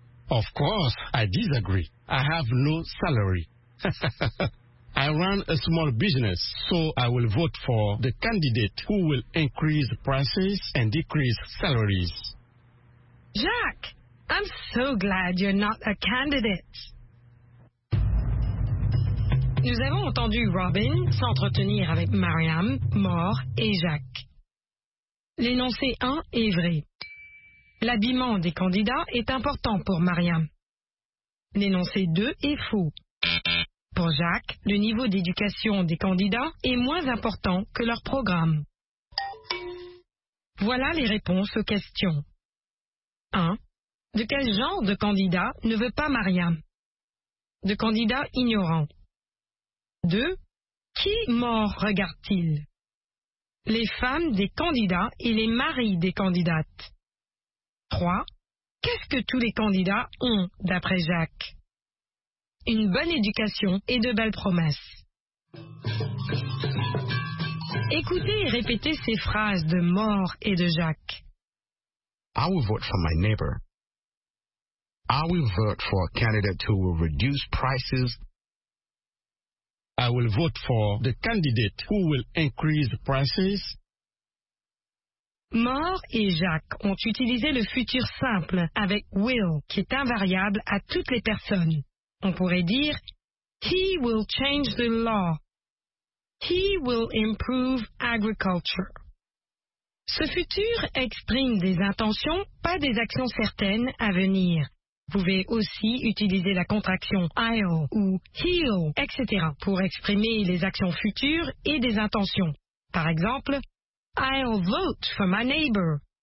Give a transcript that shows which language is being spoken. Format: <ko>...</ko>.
<en>Of course, I disagree. I have no salary. I run a small business, so I will vote for the candidate who will increase prices and decrease salaries. Jacques, I'm so glad you're not a candidate.</en> <fr>Nous avons entendu Robin s'entretenir avec Mariam, Mort et Jacques. L'énoncé 1 est vrai. L'habillement des candidats est important pour Mariam. L'énoncé 2 est faux. Pour Jacques, le niveau d'éducation des candidats est moins important que leur programme. Voilà les réponses aux questions. 1. De quel genre de candidat ne veut pas Mariam? De candidat ignorant. 2. Qui mort regarde-t-il? Les femmes des candidats et les maris des candidates. 3. Qu'est-ce que tous les candidats ont, d'après Jacques? Une bonne éducation et de belles promesses. Écoutez et répétez ces phrases de Maure et de Jacques.</fr> <en>I will vote for my neighbor. I will vote for a candidate who will reduce prices. I will vote for the candidate who will increase prices.</en> <fr>Maure et Jacques ont utilisé le futur simple avec will, qui est invariable à toutes les personnes.</fr> <en>On pourrait dire, he will change the law. He will improve agriculture.</en> <fr>Ce futur exprime des intentions, pas des actions certaines à venir. Vous pouvez aussi utiliser la contraction I'll ou he'll, etc. pour exprimer les actions futures et des intentions.</fr> <en>Par exemple, I'll vote for my neighbor.</en>